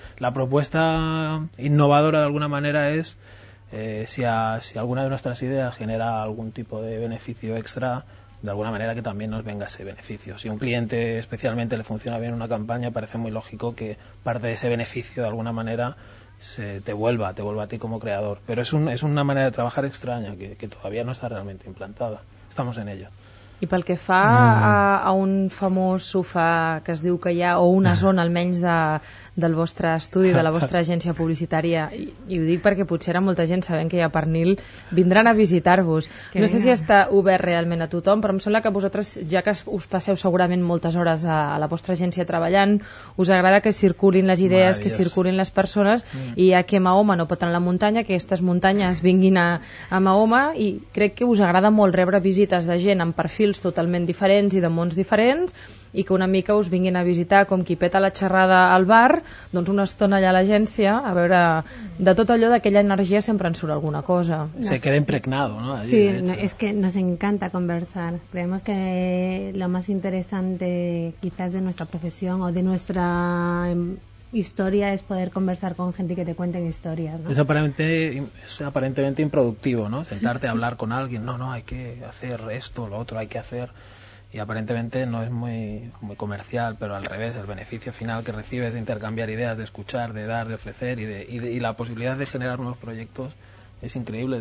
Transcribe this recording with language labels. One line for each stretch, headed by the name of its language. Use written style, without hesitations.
Spanish: La propuesta innovadora de alguna manera es si alguna de nuestras ideas genera algún tipo de beneficio extra, de alguna manera que también nos venga ese beneficio. Si a un cliente especialmente le funciona bien una campaña, parece muy lógico que parte de ese beneficio de alguna manera te vuelva a ti como creador. Pero es una manera de trabajar extraña que todavía no está realmente implantada. Estamos en ello.
Catalan: I pel que fa a un famós sofà que es diu que hi ha, o una zona almenys del vostre estudi, de la vostra agència publicitària, i ho dic perquè potser ara molta gent, sabent que hi ha pernil, vindran a visitar-vos. No sé si està obert realment a tothom, però em sembla que vosaltres, ja que us passeu segurament moltes hores a la vostra agència treballant, us agrada que circulin les idees, que circulin les persones, i ja que Mahoma no pot anar a la muntanya, que aquestes muntanyes vinguin a Mahoma, i crec que us agrada molt rebre visites de gent amb perfil totalment diferents i de mons diferents, i que una mica us vinguin a visitar com qui peta la xerrada al bar, doncs una estona allà a l'agència, a veure, de tot allò, d'aquella energia sempre en surt alguna cosa.
Spanish: Se queda impregnado, ¿no? Allí, sí, es que nos encanta conversar. Creemos que lo más interesante quizás de nuestra profesión o de nuestra historia es poder conversar con gente y que te cuenten historias, ¿no? Es aparentemente improductivo, ¿no? Sentarte a hablar con alguien, no, hay que hacer esto, lo otro, hay que hacer, y aparentemente no es muy muy comercial, pero al revés, el beneficio final que recibes de intercambiar ideas, de escuchar, de dar, de ofrecer y la posibilidad de generar nuevos proyectos es increíble.